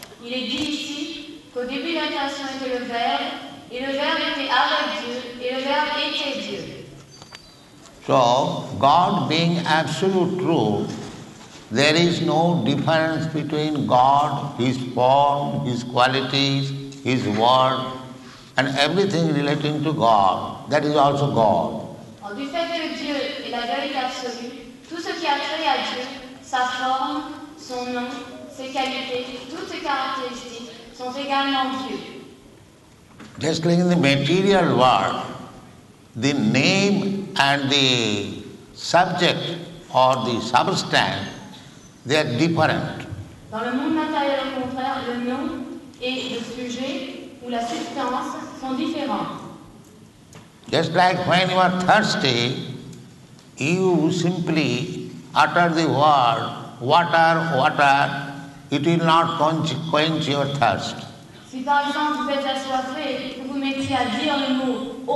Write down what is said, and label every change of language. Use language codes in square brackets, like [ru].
[fr] Il est dit ici qu'au début la création était le Verbe, et le Verbe était avec Dieu, et le Verbe était Dieu. [en] So, God being absolute truth, there is no difference between God, His form, His qualities, His word, and everything relating to God, that is also God. [fr] Du fait que Dieu est la vérité absolue, tout ce qui a trait à Dieu, sa forme, son nom, ses qualités, toutes ses caractéristiques, sont également Dieu. [en] Just like in the material world, the name and the subject or the substance, they are different. [fr] Dans le monde matériel, au contraire, le nom et le sujet ou la substance sont différents. [en] Just like when you are thirsty, you simply utter the word water, water, it will not quench your thirst. [fr] Si par exemple vous êtes assoiffé, vous vous mettez à dire le mot